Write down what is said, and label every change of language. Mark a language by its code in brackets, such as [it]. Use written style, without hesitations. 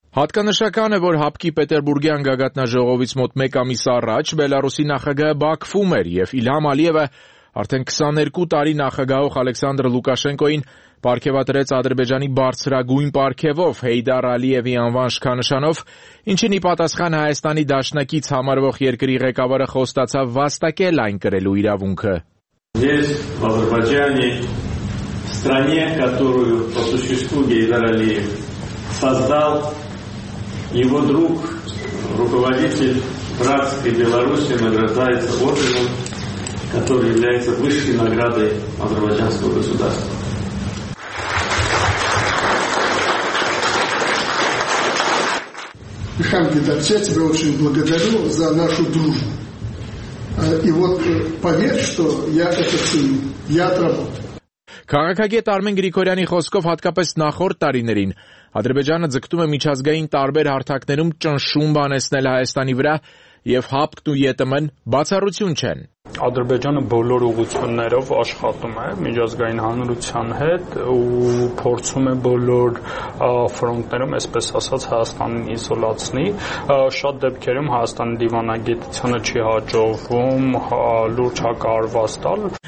[hy] Հատկանշական է, որ ՀԱՊԿ-ի Պետերբուրգյան գագաթնաժողովից մոտ 1 ամիս առաջ Բելարուսի նախագահը Բաքվում էր, և Իլհամ Ալիևը արդեն 22 տարի նախագահող Ալեքսանդր Լուկաշենկոին պարգևատրեց Ադրբեջանի բարձրագույն պարգևով Հեյդար Ալիևի անվան շքանշանով, ինչին ի պատասխան Հայաստանի դաշնակից համարվող երկրի ղեկավարը խոստացավ վաստակել այն կրելու իրավունքը։ Ես Ադրբեջանի [ru] стране, которую по существу Гейдар Алиев создал его друг, руководитель братской Беларуси, награждается орденом, который является высшей наградой азербайджанского государства. Ильхам Гейдарович, я тебя очень благодарю за нашу дружбу. И вот поверь, что я это ценю, я отработал. [hy] Քաղաքագետ Արմեն Գրիգորյանի խոսքով, հատկապես նախորդ տարիներին, Ադրբեջանը ձգտում է միջազգային տարբեր հարթակներում ճնշում բանեցնել Հայաստանի վրա, և հապկտ ու ետմն բացառություն չեն։ Ադրբեջանը բոլոր ուղություններով աշխատում է միջազգային հանրության հետ ու փորձում է բոլոր ֆրոնտներում, այսպես ասած, Հայաստանին իզոլացնի։ Շատ դեպքերում Հայաստանի դիվանագիտությունը չի հաջողվում լուրջ հակառված տալ։